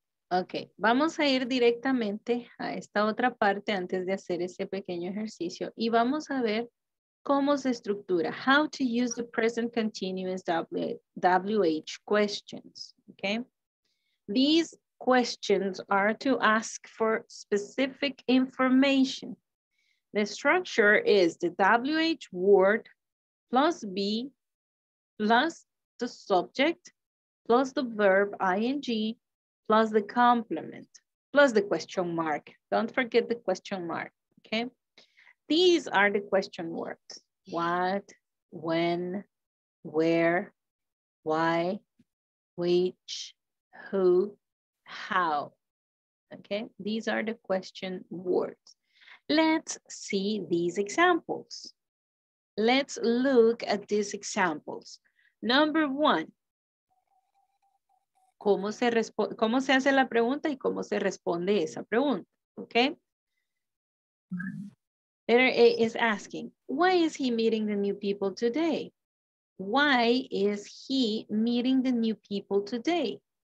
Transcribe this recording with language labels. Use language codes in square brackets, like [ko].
[es] Ok, vamos a ir directamente a esta otra parte antes de hacer ese pequeño ejercicio y vamos a ver cómo se estructura. [en] How to use the present continuous WH questions. Ok. These questions are to ask for specific information. The structure is the WH word plus B plus the subject plus the verb ing plus the complement, plus the question mark. Don't forget the question mark, okay? These are the question words. What, when, where, why, which, who, how, okay? These are the question words. Let's see these examples. Let's look at these examples. Number one. [es] ¿Cómo se hace la pregunta y cómo se responde esa pregunta? [en] Okay. Letter A is asking, why is he meeting the new people today? Why is he meeting the new people today?